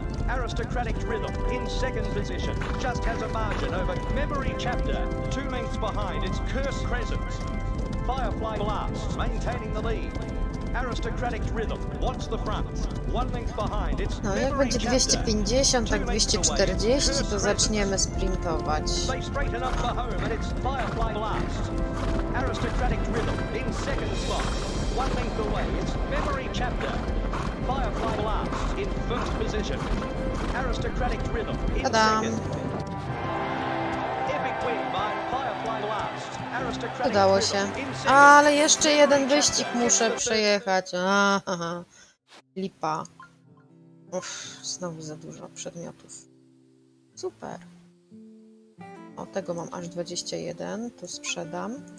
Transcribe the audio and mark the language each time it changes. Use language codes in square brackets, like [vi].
[en] Aristocratic Rhythm in second position just has a margin over Memory Chapter. Two lengths behind, it's Curse Crescent. Firefly Blast maintaining the lead. Aristocratic Rhythm wants the front. One length behind, it's Memory Chapter. [pl] No, jak będzie 250, tak 240, to zaczniemy sprintować. [en] They straighten up for home and it's Firefly Blast. Aristocratic Rhythm in second spot. One length away, it's Memory Chapter. Firefly Blast in first position. Aristocratic Rhythm in second. Epic win by Firefly Blast. [pl] Aristocratic. Udało się. Ale jeszcze jeden wyścig muszę przejechać. Lipa. Uff, znowu za dużo przedmiotów. Super. O, tego mam aż 21. To sprzedam.